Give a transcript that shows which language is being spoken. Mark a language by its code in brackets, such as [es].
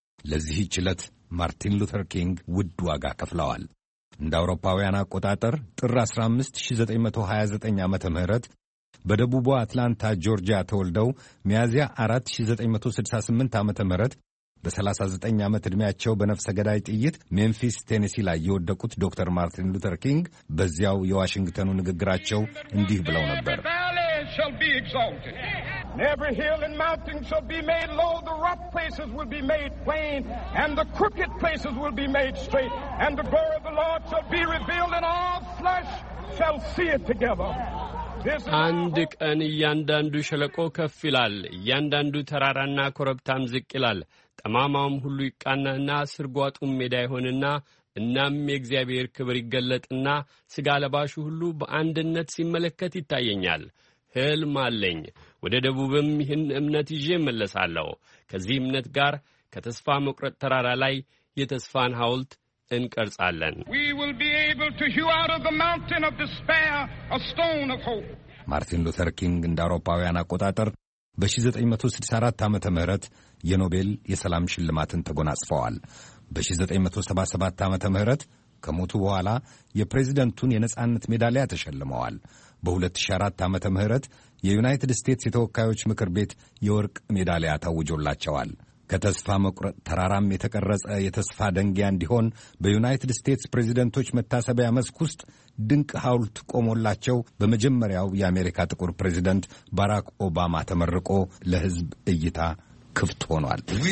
[am] ለዚህች ዕለት ማርቲን ሉተር ኪንግ ውድ ዋጋ ከፍለዋል። እንደ አውሮፓውያን አቆጣጠር ጥር 15929 ዓመተ ምህረት በደቡብ አትላንታ ጆርጂያ ተወልደው ሚያዚያ 4968 ዓመተ ምህረት በ39 ዓመት ዕድሜያቸው በነፍሰ ገዳይ ጥይት ሜምፊስ ቴኔሲ ላይ የወደቁት ዶክተር ማርቲን ሉተር ኪንግ በዚያው የዋሽንግተኑ ንግግራቸው እንዲህ ብለው ነበር። [en] Shall be exalted. And every hill and mountain shall be made low. The rough places will be made plain. And the crooked places will be made straight. And the glory of the Lord shall be revealed. And all flesh shall see it together. [am] አንድ ቀን እያንዳንዱ ሸለቆ ከፍ ይላል፣ እያንዳንዱ ተራራና ኮረብታም ዝቅ ይላል፣ ጠማማውም ሁሉ ይቃናና ስርጓጡም ሜዳ ይሆንና፣ እናም የእግዚአብሔር ክብር ይገለጥና ሥጋ ለባሹ ሁሉ በአንድነት ሲመለከት ይታየኛል። ሕልም አለኝ፣ ወደ ደቡብም ይህን እምነት ይዤ እመለሳለሁ። ከዚህ እምነት ጋር ከተስፋ መቁረጥ ተራራ ላይ የተስፋን ሐውልት እንቀርጻለን። [en] We will be able to hew out of the mountain of despair a stone of hope. [am] ማርቲን ሉተር ኪንግ እንደ አውሮፓውያን አቆጣጠር በ1964 ዓመተ ምህረት የኖቤል የሰላም ሽልማትን ተጎናጽፈዋል። በ1977 ዓመተ ምህረት ከሞቱ በኋላ የፕሬዝደንቱን የነጻነት ሜዳሊያ ተሸልመዋል። በ2004 ዓመተ ምህረት የዩናይትድ ስቴትስ የተወካዮች ምክር ቤት የወርቅ ሜዳሊያ ታውጆላቸዋል። ከተስፋ መቁረጥ ተራራም የተቀረጸ የተስፋ ደንጊያ እንዲሆን በዩናይትድ ስቴትስ ፕሬዚደንቶች መታሰቢያ መስክ ውስጥ ድንቅ ሐውልት ቆሞላቸው በመጀመሪያው የአሜሪካ ጥቁር ፕሬዚደንት ባራክ ኦባማ ተመርቆ ለሕዝብ እይታ ክፍት ሆኗል።